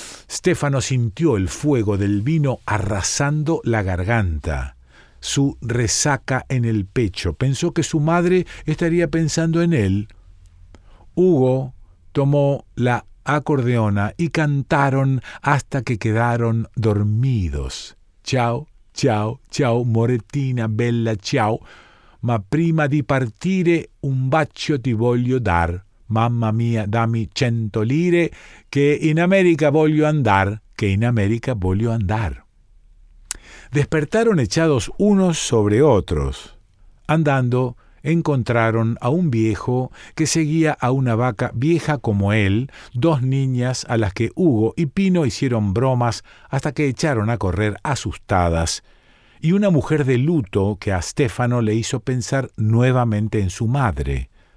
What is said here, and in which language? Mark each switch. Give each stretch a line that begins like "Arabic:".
Spanish: Stefano sintió el fuego del vino arrasando la garganta, su resaca en el pecho. Pensó que su madre estaría pensando en él. Hugo tomó la acordeona y cantaron hasta que quedaron dormidos.
Italian: «Chao, chao, chao, Moretina, bella, chao». Ma prima di partire un bacio ti voglio dar, mamma mia dammi 100 lire, che in America voglio andar, che in America voglio andar.
Spanish: Despertaron echados unos sobre otros. Andando, encontraron a un viejo que seguía a una vaca vieja como él, dos niñas a las que Hugo y Pino hicieron bromas hasta que echaron a correr asustadas, y una mujer de luto que a Stefano le hizo pensar nuevamente en su madre.